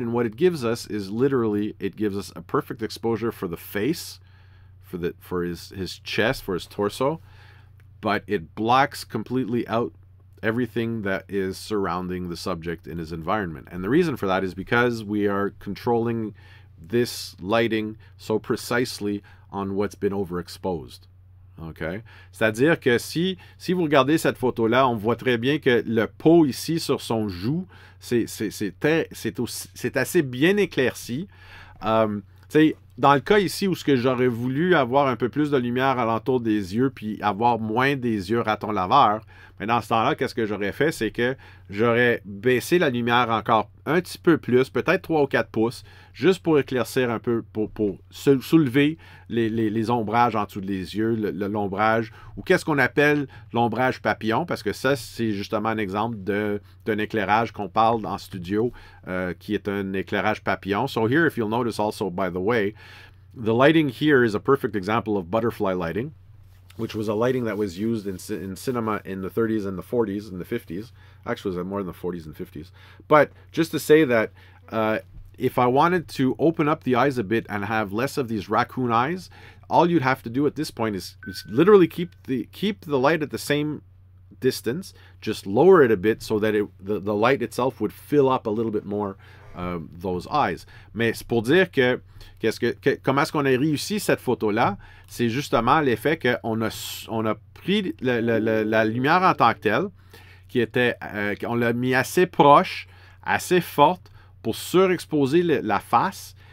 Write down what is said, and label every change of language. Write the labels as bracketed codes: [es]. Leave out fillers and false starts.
[en] And what it gives us is literally, it gives us a perfect exposure for the face, for his chest, for his torso, but it blocks completely out everything that is surrounding the subject in his environment. And the reason for that is because we are controlling this lighting so precisely on what's been overexposed. Okay? [fr] C'est-à-dire que si vous regardez cette photo-là, on voit très bien que le pot ici sur son joue, c'est assez bien éclairci. T'sais, dans le cas ici où ce que j'aurais voulu avoir un peu plus de lumière alentour des yeux puis avoir moins des yeux raton laveur, mais dans ce temps-là, qu'est-ce que j'aurais fait? C'est que j'aurais baissé la lumière encore un petit peu plus, peut-être 3 ou 4 pouces, juste pour éclaircir un peu, pour soulever les ombrages en dessous des yeux, l'ombrage, ou qu'est-ce qu'on appelle l'ombrage papillon, parce que ça, c'est justement un exemple d'un éclairage qu'on parle en studio, qui est un éclairage papillon. [en] So here, if you'll notice also, by the way, the lighting here is a perfect example of butterfly lighting, which was a lighting that was used in cinema in the 30s and the 40s and the 50s. Actually, it was more in the 40s and 50s. But just to say that if I wanted to open up the eyes a bit and have less of these raccoon eyes, all you'd have to do at this point is literally keep the light at the same distance, just lower it a bit so that the light itself would fill up a little bit more those eyes. [fr] Mais c'est pour dire que comment est-ce qu'on a réussi cette photo-là? C'est justement l'effet qu'on a pris la lumière en tant que telle, qui était, on l'a mis assez proche, assez forte, pour surexposer la face.